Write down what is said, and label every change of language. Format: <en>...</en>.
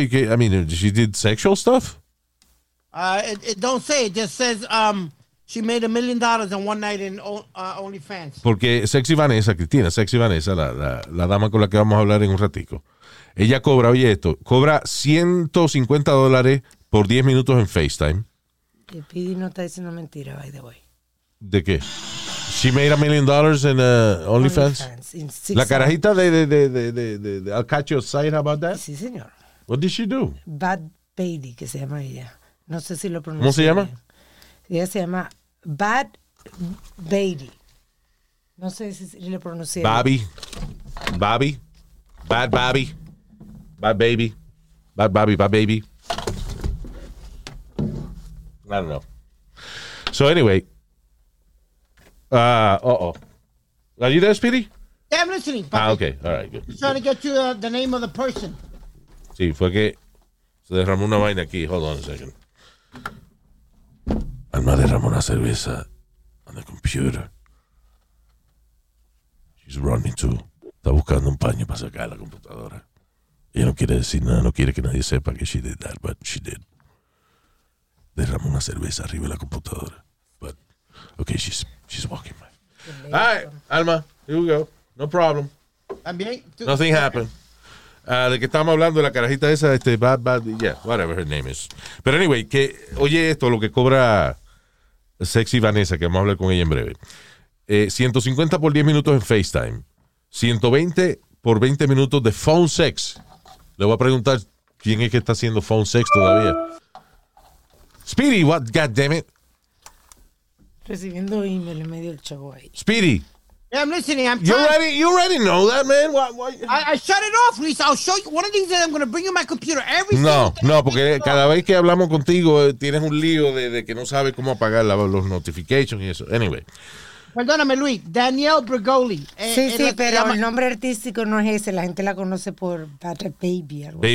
<es>Y que,</es> <en>I mean, she did sexual stuff. It don't say. It just says she made $1,000,000 in one night in OnlyFans.</en> <es>Porque Sexy Vanessa, Cristina, Sexy Vanessa, la dama con la que vamos a hablar en un ratico, ella cobra, oye esto, cobra $150 por 10 minutos en FaceTime. Y Pidi no está diciendo mentira,</es> <en>by the way.</en> <es>¿De qué?</es> <en>She made $1,000,000 in OnlyFans.</en> <es>La carajita de</es> <en>I'll catch your sight, how about that?</en> <es>Sí, señor.</es> <en>What did she do?</en> <es>Bad Baby, que se llama ella. No sé si lo pronuncio. ¿Cómo se llama? Ella se llama Bad Baby. No sé si lo pronuncié.</es> <en>Bobby. Bad Bobby. Bad Baby. Bad Bobby, Bad Baby. I don't know. So anyway, are you there, Speedy? Yeah, I'm listening. Ah, okay, all right, good. I'm trying to get you the name of the person.</en> <es>Sí, fue que se derramó una vaina aquí.</es> <en>Hold on a second.</en> <es>Alma derramó una cerveza</es> <en>on the computer. She's running too.</en> <es>Está buscando un paño para sacar la computadora. Ella no quiere decir nada, no quiere que nadie sepa que</es> <en>she did that, but she did.</en> <es>Derramó una cerveza arriba de la computadora.</es> <en>But, okay, she's walking by. All right, Alma, here we go. No problem.</en> <es>También.</es> <en>Nothing happened.</en> <es>De que estamos hablando de la carajita esa, este, bad,</es> <en>yeah, whatever her name is.</en> <es>Pero anyway, que, oye esto, lo que cobra Sexy Vanessa, que vamos a hablar con ella en breve. 150 por 10 minutos en FaceTime. 120 por 20 minutos de phone sex. Le voy a preguntar quién es que está haciendo phone sex todavía.</es> <en>Speedy, what, goddammit?</en> <es>Recibiendo email en medio del show ahí. Speedy.</es> <en>Yeah, I'm listening. I'm You already know that, man. Why? I shut it off, Lisa. I'll show you. One of these days I'm going to bring you my computer.</en> <es>No, porque cada vez que hablamos contigo tienes un lío de que no sabes cómo apagar los notifications y eso.</es> <en>Anyway.</en> <es>Perdóname, Luis. Danielle Bregoli. Sí, pero el nombre artístico no es ese. La gente la conoce por Bad Baby.</es>